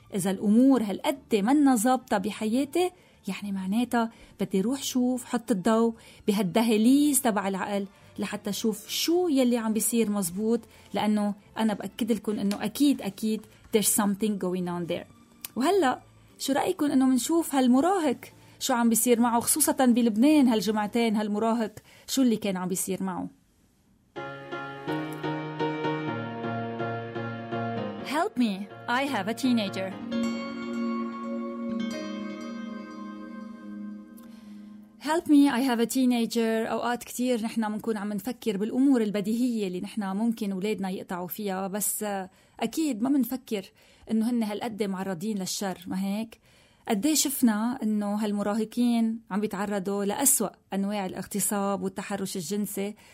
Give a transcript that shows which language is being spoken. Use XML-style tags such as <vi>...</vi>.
<ar>إذا الأمور هالقد منا ظابطة بحياتي، يعني معناتها بدي روح شوف حط الضو بهالدهاليز تبع العقل لحتى شوف شو يلي عم بيصير مزبوط، لأنه أنا بأكد لكم أنه أكيد أكيد</ar> <en>there's something going on there.</en> <ar>وهلأ شو رأيكم أنه منشوف هالمراهق شو عم بيصير معه، خصوصا بلبنان هالجمعتين، هالمراهق شو اللي كان عم بيصير معه؟</ar> <en>Help me, I have a teenager. Help me, I have a teenager.</en> <ar>أوقات كتير نحنا منكون عم نفكر بالأمور البديهية اللي نحنا ممكن أولادنا يقطعوا فيها، بس أكيد ما منفكر إنه هن هالقد معرضين للشر، ما هيك؟ قدي شفنا إنه هالمراهقين عم بيتعرضوا لأسوأ أنواع الاغتصاب والتحرش الجنسي.</ar>